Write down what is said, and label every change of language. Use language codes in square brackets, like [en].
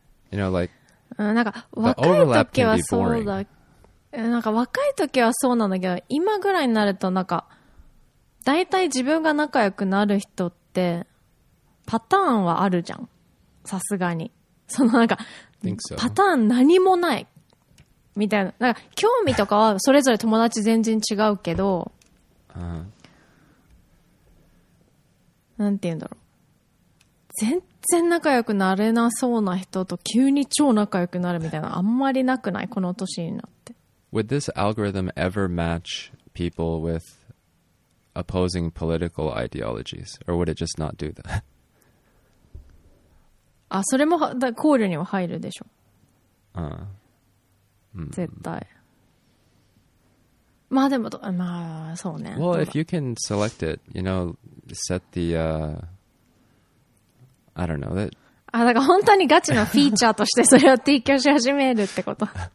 [en] You know, like, [ja] なんか若い時はそうだ、なんか若い時はそうなんだけど、今ぐらいになるとなんか大体自分が仲良くなる人ってパターンはあるじゃん、さすがに。そのなんか、パターン何もないみたいな、なんか興味とかはそれぞれ友達全然違うけど、なんて言うんだろう、全然仲良くなれなそうな人と急に超仲良くなるみたいな、あんまりなくない、この年になって。 [en] Would this algorithm ever match people with opposing political ideologies? Or would it just not do that? [ja] あ、それも考慮には入るでしょ。 Uh-huh. 絶対。まあでも、まあそうね。 [en] Well, if you can select it, you know, set the... I don't know that. [ja] あ、だから本当にガチのフィーチャーとしてそれを提供し始めるってこと。